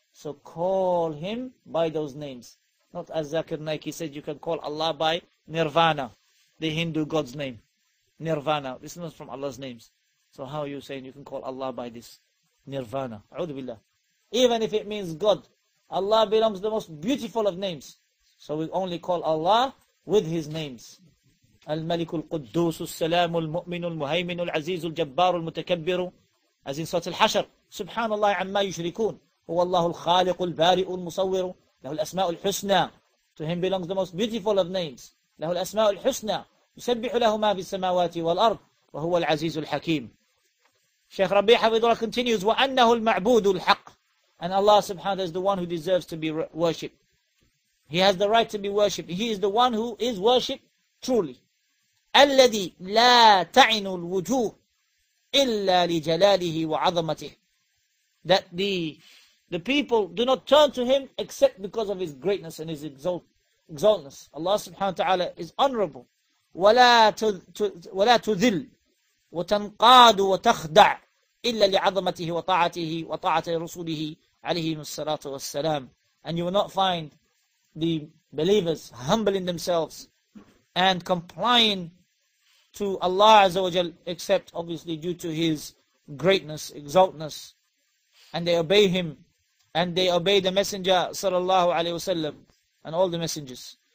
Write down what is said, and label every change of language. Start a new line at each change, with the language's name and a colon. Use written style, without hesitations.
English: So call him by those names. Not as Zakir Naik, he said, you can call Allah by Nirvana, the Hindu God's name. Nirvana. This is not from Allah's names. So how are you saying you can call Allah by this? Nirvana. A'udhu Billah. Even if it means God, Allah belongs the most beautiful of names. So we only call Allah with his names.
Arabic: الملك القدوس السلام المؤمن المهيمن العزيز الجبار المتكبر as in سورة الحشر سبحان الله عما يشركون هو الله الخالق البارئ المصور له الأسماء الحسنى.
English: To him belongs the most beautiful of names.
Arabic: له الأسماء الحسنى يسبح له ما في السماوات والأرض وهو العزيز الحكيم. شيخ ربيع حفظه الله continues وأنه المعبود الحق.
English: And Allah subhanahu is the one who deserves to be worshipped. He has the right to be worshipped. He is the one who is worshipped truly.
Arabic: الذي لا تعن الوجوه إلا لجلاله وعظمته.
English: That the people do not turn to him except because of his greatness and his exaltness. Allah subhanahu wa ta'ala is honorable.
Arabic: ولا تذل وتنقاد وتخدع إلا لعظمته وطاعته وطاعة رسوله عليه الصلاة والسلام.
English: And you will not find the believers humbling themselves and complying to Allah Azza wa Jal, except obviously due to His greatness, exaltness, and they obey Him, and they obey the Messenger sallallahu alayhi wa sallam, and all the messengers.